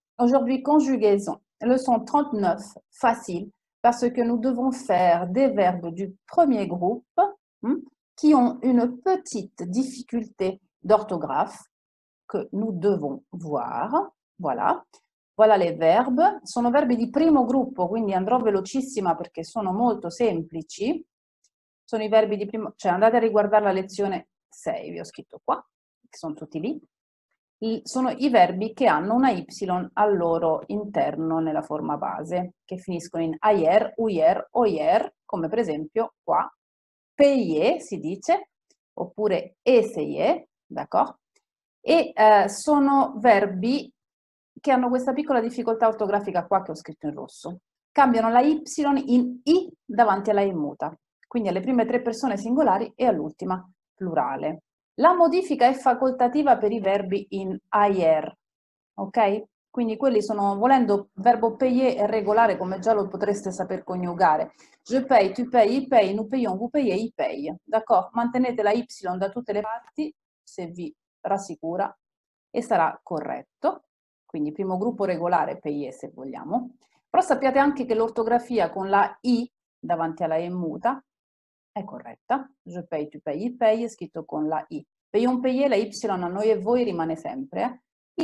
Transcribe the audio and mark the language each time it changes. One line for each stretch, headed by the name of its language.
French: Aujourd'hui, conjugaison. Leçon 39, facile, parce que nous devons faire des verbes du premier groupe qui ont une petite difficulté d'orthographe que nous devons voir. Voilà. Voilà les verbes.
Italian: Sono verbi di primo gruppo, quindi andrò velocissima perché sono molto semplici. Sono i verbi di primo, cioè andate a riguardare la lezione 6, vi ho scritto qua, sono tutti lì. Sono i verbi che hanno una Y al loro interno nella forma base, che finiscono in ayer, uyer, oyer, come per esempio qua, payer si dice, oppure essayer, d'accord? E sono verbi che hanno questa piccola difficoltà ortografica qua che ho scritto in rosso. Cambiano la Y in I davanti alla I muta, quindi alle prime tre persone singolari e all'ultima plurale. La modifica è facoltativa per i verbi in ayer, ok? Quindi quelli sono, volendo, verbo payer è regolare, come già lo potreste saper coniugare.
French: Je paye, tu paye, il paye, nous payons, vous payez, il paye.
Italian: D'accordo? Mantenete la Y da tutte le parti, se vi rassicura, e sarà corretto. Quindi primo gruppo regolare, payer se vogliamo. Però sappiate anche che l'ortografia con la I davanti alla E muta è corretta. Je paye, tu paye, il paye è scritto con la I. Payon paye, la Y a noi e voi rimane sempre. Eh?